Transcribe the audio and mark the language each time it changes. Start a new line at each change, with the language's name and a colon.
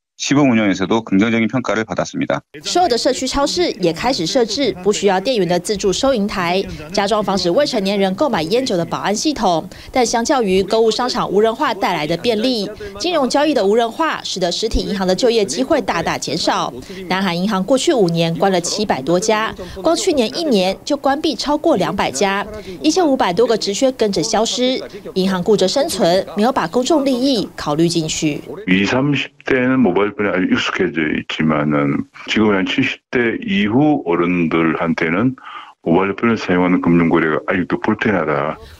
Korean: 시범 운영에서도 긍정적인 평가를 받았습니다.
Chinese: 所有的社区超市也开始设置不需要店员的自助收银台，加装防止未成年人购买烟酒的保安系统。但相较于购物商场无人化带来的便利，金融交易的无人化使得实体银行的就业机会大大减少。南韩银行过去五年关了700多家，光去年一年就关闭超过200家，1500多个职缺跟着消失。银行顾着生存，没有把公众利益考虑进去。
Korean: 20대 이후 어른들한테는 모바일폰을 사용하는 금융거래가 아직도 불편하다.